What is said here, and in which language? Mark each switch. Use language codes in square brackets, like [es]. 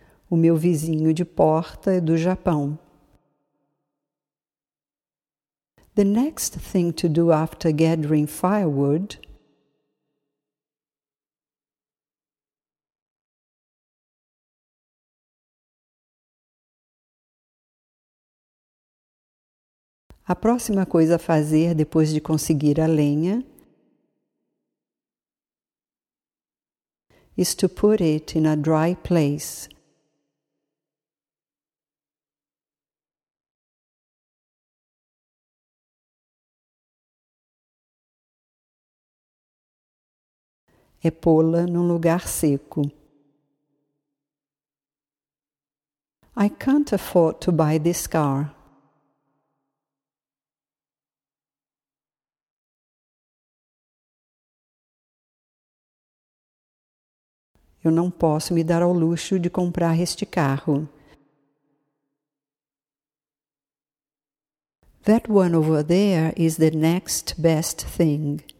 [pt] O meu vizinho de porta é do Japão. [en] The next thing to do after gathering firewood. [pt] A próxima coisa a fazer depois de conseguir a lenha [en] is to put it in a dry place. [pt] É pô-la num lugar seco. [en] I can't afford to buy this car. [pt] Eu não posso me dar ao luxo de comprar este carro. [en] That one over there is the next best thing.